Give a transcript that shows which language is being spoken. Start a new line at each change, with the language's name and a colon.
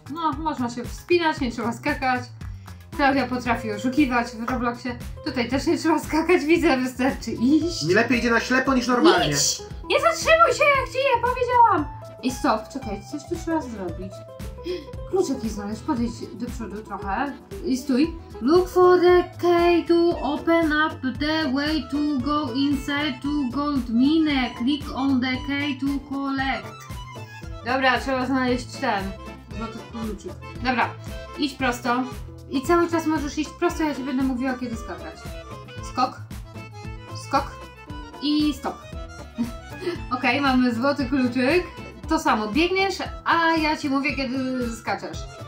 Polish: No, można się wspinać, nie trzeba skakać. Klaudia potrafi oszukiwać w Robloxie. Tutaj też nie trzeba skakać, widzę, wystarczy iść. Nie lepiej idzie na ślepo niż normalnie. Idź! Nie zatrzymuj się, jak ci je powiedziałam! I stop, czekaj, coś tu trzeba zrobić. Klucz jakiś znaleźć, podejdź do przodu trochę. I stój.
English: Look for the key to open up the way to go inside to gold mine. Click on the key to collect.
Polish: Dobra, trzeba znaleźć ten złoty kluczyk. Dobra, idź prosto. I cały czas możesz iść prosto, ja ci będę mówiła, kiedy skakać. Skok. Skok. I stop. Okej, okay, mamy złoty kluczyk. To samo, biegniesz, a ja ci mówię, kiedy skaczesz.